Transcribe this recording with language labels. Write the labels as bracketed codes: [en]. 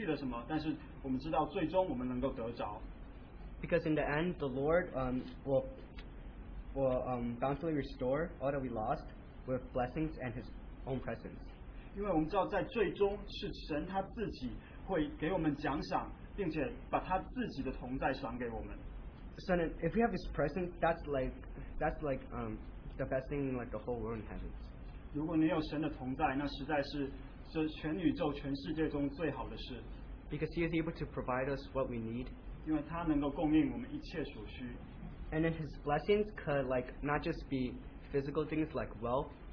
[zh] 就是当我们在线上自己的时候，可能我们看上去我们舍去了什么，但是我们知道最终我们能够得着。 [en] Because in the end, the Lord will bountifully restore all that we lost with blessings and His own presence. [zh] 因为我们知道在最终是神他自己会给我们奖赏，并且把他自己的同在赏给我们。 [en] So then, if we have His presence, that's like the best thing in like the whole world in heaven. [zh] 如果你有神的同在，那实在是这全宇宙全世界中最好的事。 [en] Because He is able to provide us what we need. [zh] 因为他能够供应我们一切所需。 [en] And then His blessings could like not just be physical things like wealth.